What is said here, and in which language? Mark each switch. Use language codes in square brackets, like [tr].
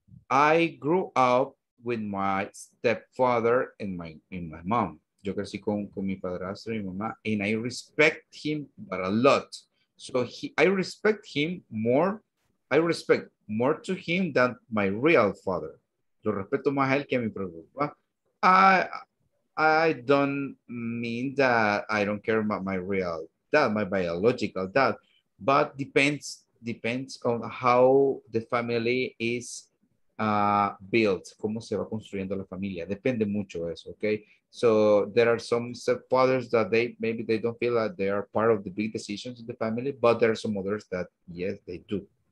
[en] I grew up with my stepfather and my mom. [es] Yo crecí con mi padrastro y mi mamá, [en] and I respect him but a lot. So I respect more to him than my real father. [es] Lo respeto más a él que a mi propio papá. [en] I don't mean that I don't care about my real dad, my biological dad, but depends on how the family is built, [es] cómo se va construyendo la familia. Depende mucho de eso, [en] okay? So there are some stepfathers that maybe they don't feel that they are part of the big decisions in the family, but there are some others that yes, they do.